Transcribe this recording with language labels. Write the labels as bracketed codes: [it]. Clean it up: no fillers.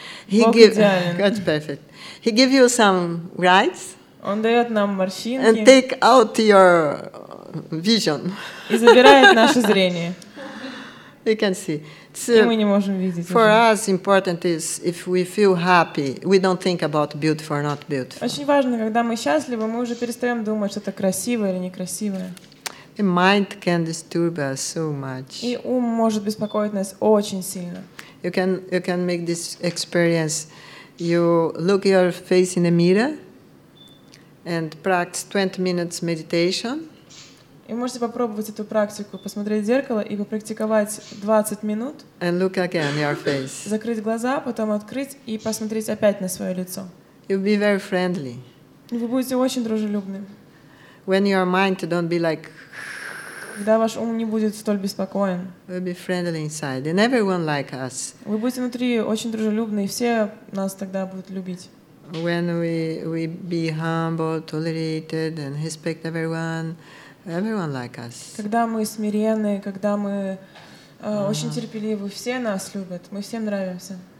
[en] He gives God's perfect. He give you some rights. [ru] Он дает нам морщинки. [en] And take out your vision. [ru] И забирает наше зрение. [en] We can see. [ru] So, и мы не можем видеть. [en] For us important is if we feel happy, we don't think about beautiful or not beautiful. [ru] Очень важно, когда мы счастливы, мы уже перестаем думать, что это красивое или некрасивое. [en] The mind can disturb us so much. [ru] И ум может беспокоить нас очень сильно. [en] You can make this experience. You look your face in a mirror and practice 20 minutes meditation. [ru] И можете попробовать эту практику, посмотреть в зеркало и попрактиковать 20 минут. [en] And look again your face. [ru] Закрыть глаза, потом открыть и посмотреть опять на свое лицо. [en] You'll be very friendly. [ru] Вы будете очень дружелюбны. [en] When your mind don't be like. [ru] Когда ваш ум не будет столь беспокоен. [en] We'll be friendly inside, and everyone like us. [ru] Вы будете внутри очень дружелюбны, и все нас тогда будут любить. [en] When we be humble, tolerated, and respect everyone like us. [ru] Когда мы смиренны, когда мы очень терпеливы, все нас любят, мы всем нравимся.